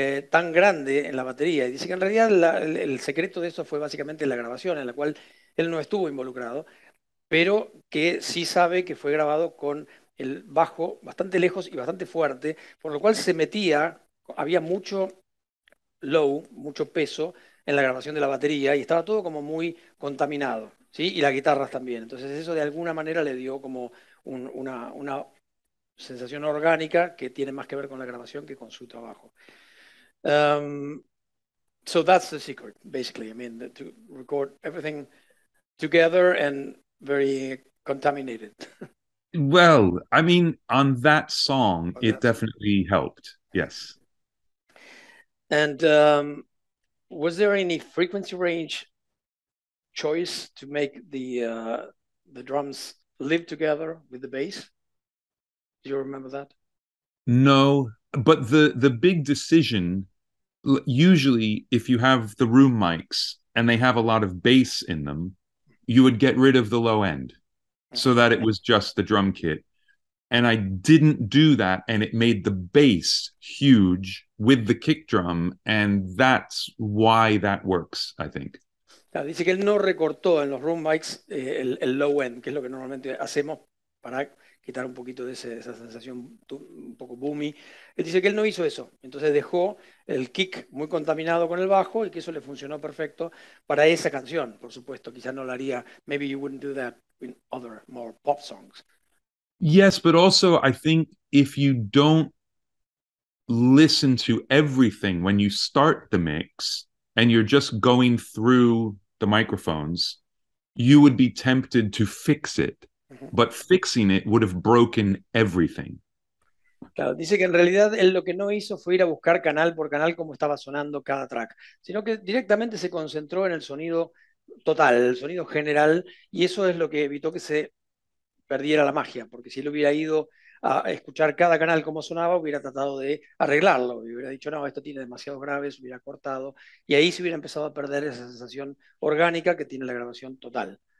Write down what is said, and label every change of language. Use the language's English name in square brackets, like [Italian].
[Spanish] tan grande en la batería? Y dice que en realidad el secreto de eso fue básicamente la grabación, en la cual él no estuvo involucrado, pero que sí sabe que fue grabado con el bajo bastante lejos y bastante fuerte, por lo cual se metía, había mucho low, mucho peso en la grabación de la batería y estaba todo como muy contaminado. ¿Sí? Y las guitarras también. Entonces eso de alguna manera le dio como una sensación orgánica que tiene más que ver con la grabación que con su trabajo. [English] So that's the secret, basically. I mean, to record everything together and very contaminated. Well, I mean, on that song, okay, it definitely helped, yes. And was there any frequency range choice to make the drums live together with the bass? Do you remember that? No, but the big decision, usually if you have the room mics and they have a lot of bass in them, you would get rid of the low end so that it was just the drum kit. And I didn't do that, and it made the bass huge with the kick drum, and that's why that works, I think. [Spanish] Dice que él no recortó en los room mics el low end, que es lo que normalmente hacemos para quitar un poquito de esa sensación un poco boomy. Él dice que él no hizo eso. Entonces dejó el kick muy contaminado con el bajo y que eso le funcionó perfecto para esa canción. Por supuesto, quizás no lo haría. [English] Maybe you wouldn't do that in other more pop songs. Yes, but also I think if you don't listen to everything when you start the mix, and you're just going through the microphones, you would be tempted to fix it. Mm-hmm. But fixing it would have broken everything. [Spanish] Claro, dice que en realidad él lo que no hizo fue ir a buscar canal por canal como estaba sonando cada track, sino que directamente se concentró en el sonido total, el sonido general, y eso es lo que evitó que se perdiera la magia, porque si él hubiera ido a escuchar cada canal como sonaba, hubiera tratado de arreglarlo y hubiera dicho, no, esto tiene demasiados graves, hubiera cortado, y ahí se hubiera empezado a perder esa sensación orgánica que tiene la grabación total.